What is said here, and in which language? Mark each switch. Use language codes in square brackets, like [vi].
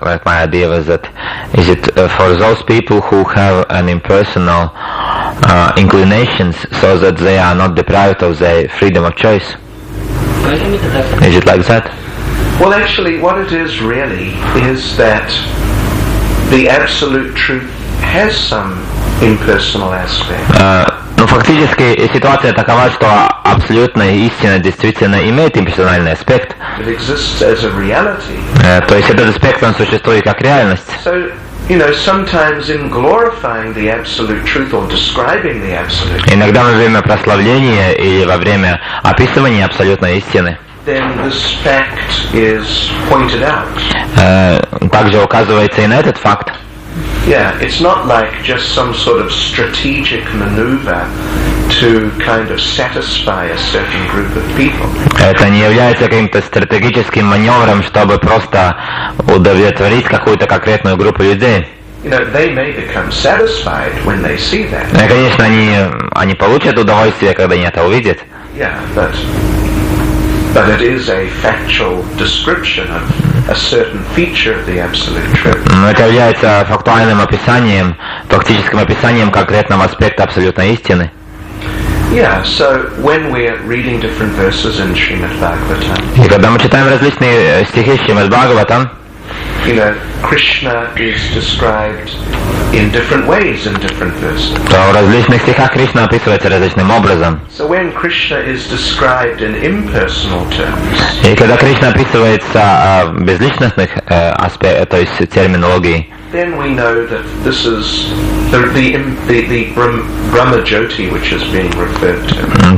[en] Like my idea was that is it for those people who have an impersonal inclinations, so that they are not deprived of their freedom of choice? Is it like that? Well, actually, what it is really is that the absolute truth has some impersonal aspect. [ru] Фактически ситуация такова, что абсолютная истина действительно имеет имперсональный аспект. [en] It exists as a reality. [ru] То есть этот аспект он существует как реальность. [en] So, you know, sometimes in glorifying the absolute truth or describing the absolute truth. [ru] Иногда во время прославления или во время описывания абсолютной истины. [en] Then this fact is pointed out. [ru] Также указывается и на этот факт. [en] Yeah, it's not like just some sort of strategic maneuver to kind of satisfy a certain group of people. [ru] Это не является каким-то стратегическим маневром, чтобы просто удовлетворить какую-то конкретную группу людей. [en] You know, they may become satisfied when they see that. [ru] Ну, конечно, они получат удовольствие, когда они это увидят. [en] Yeah, but it is a factual description of a certain feature of the Absolute Truth. [ru] Но это является фактуальным описанием, фактическим описанием конкретного аспекта Абсолютной Истины. [en] Yeah, so when we're reading different verses in Srimad Bhagavatam, [ru] и когда мы читаем различные стихи Шримад Бхагаватам, [en] you know, Krishna is described in different ways in different verses. So when Krishna is described in impersonal terms, [ru] и когда Кришна описывается в безличностных аспектах, то есть терминологии, [en] then we know that this is the Brahma Jyoti which is being referred to.